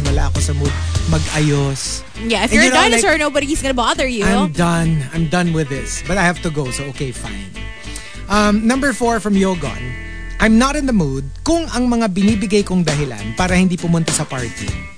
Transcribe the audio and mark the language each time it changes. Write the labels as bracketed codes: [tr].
[tl] Wala ako sa mood magayos. [en] Yeah, if you're a dinosaur, like, nobody's gonna bother you. I'm done with this. But I have to go, so okay, fine. Number 4 from Yogon. I'm not in the mood [tl] kung ang mga binibigay kong dahilan para hindi pumunta sa party.